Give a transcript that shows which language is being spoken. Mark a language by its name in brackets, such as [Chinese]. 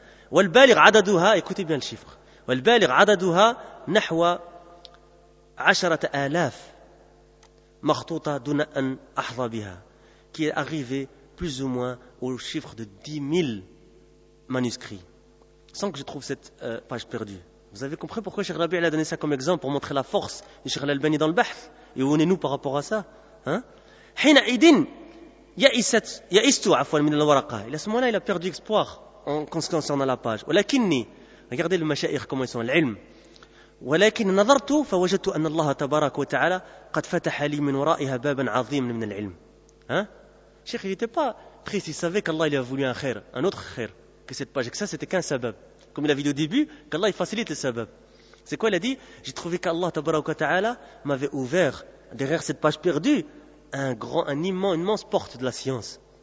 [Arabic] وَالْبَالِغْ عَدَدُهَا [French] Écoutez bien le chiffre. [Arabic] وَالْبَالِغْ عَدَدُهَا نَحْوَ 10,000 مَخْطُوطَةٍ دُونَ أَنْ أَحْظَى بِهَا [French] qui est arrivé plus ou moins au chiffre de 10,000 manuscrits, sans que je trouve cette page perdue. Vous avez compris pourquoi Cheikh Rabi' a donné ça comme exemple pour montrer la force de Cheikh Al-Albani dans le Bahth, et où on est nous par rapport à ça. [Arabic] حين إذن يأست عفوا من الورقة. [French] Et à ce moment-là, il a perdu espoir en concernant la page. [Arabic] ولكني, [French] regardez le mashaïr comment ils sont, l'ilm. [Arabic] ولكن نظرت فوجدت أن الله تبارك وتعالى قد فتح لي من ورائها بابا عظيما من العلم. [French] Cheikh, il n'était pas triste, il savait qu'Allah lui a voulu un autre khair que cette page, et que ça c'était qu'un sabab. Comme il a vu au début, qu'Allah facilite le sabab. C'est quoi? Il a dit, j'ai trouvé qu'Allah tabaraka ta'ala m'avait ouvert, derrière cette page perdue, une immense porte de la science.